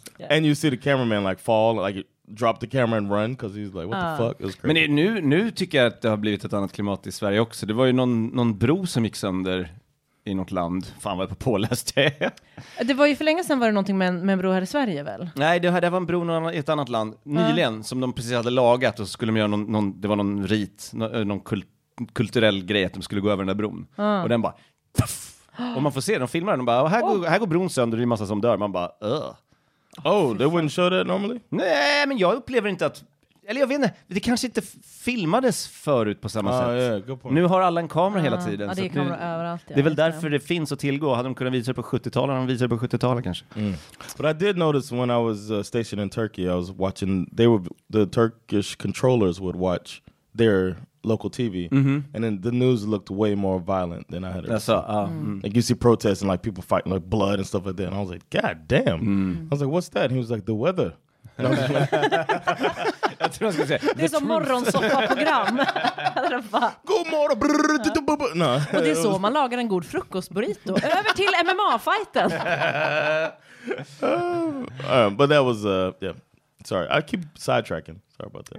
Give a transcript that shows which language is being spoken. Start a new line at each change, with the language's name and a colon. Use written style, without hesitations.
English: And you see the cameraman like fall, like drop the camera and run, because he's like, what the fuck? It was crazy.
Swedish: Men nu tycker jag att det har blivit ett annat klimat i Sverige också. Det var ju någon bro som gick sönder i något land. Fan vad jag på påläst det. Det var ju för länge sedan, var det någonting med en bro här i Sverige väl? Nej, det var en bro i ett annat land nyligen som de precis hade lagat, och så skulle de göra någon det var någon rit, någon kulturell grej att de skulle gå över den där bron. Och den bara, puff! Och man får se, de filmar den och bara, här går bron sönder, det är massa som dör. Man bara,
English: They wouldn't show that normally?
Swedish: Nej, men jag upplever inte att, eller jag vet inte, det kanske inte filmades förut på samma sätt. Nu har alla en kamera hela tiden. Ja, det är kameror överallt. Det är väl därför det finns att tillgå. Hade de kunnat visa det på 70-talet, de visade det på 70-talet kanske.
English: But I did notice when I was stationed in Turkey, I was watching, they were, the Turkish controllers would watch their local TV, mm-hmm. and then the news looked way more violent than I had ever seen. Mm-hmm. Like you see protests and like people fighting, like blood and stuff like that. And I was like, God damn! Mm-hmm. I was like, what's that? And he was like, the weather.
Swedish: Det är som morgonsoppa-program. God morgon.
English: No.
Swedish: Och det är så man lagar en god frukostburrito. Över till MMA-fighten.
English: But that was yeah. Sorry, I keep sidetracking. Sorry about that.